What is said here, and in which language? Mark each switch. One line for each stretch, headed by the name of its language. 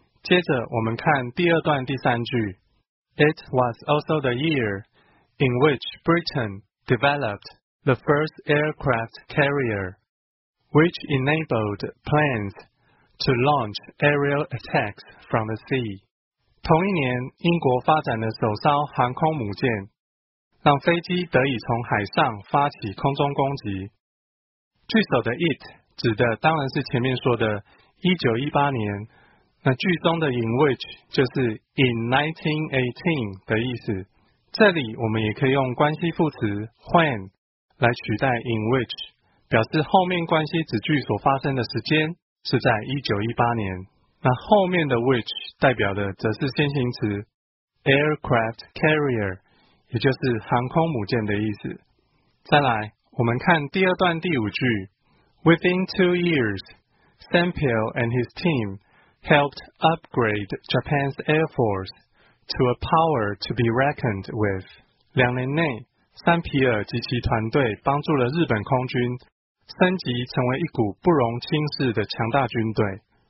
Chinese: 接着我们看第二段第三句
English: It was also the year in which Britain developed the first aircraft carrier which enabled plans to launch aerial attacks from the sea。
Chinese: 同一年英国发展了首艘航空母舰，让飞机得以从海上发起空中攻击。句首的 it 指的当然是前面说的1918年，那句中的 in which 就是 in 1918 的意思。这里我们也可以用关系副词 when 来取代 in which， 表示后面关系子句所发生的时间是在1918年。那后面的 which 代表的则是先行词 aircraft carrier，也就是航空母舰的意思。再来我们看第二段第五句
English: Within 2 years Sam Peel and his team helped upgrade Japan's Air Force to a power to be reckoned with。
Chinese: 两年内三皮尔及其团队帮助了日本空军升级成为一股不容轻视的强大军队。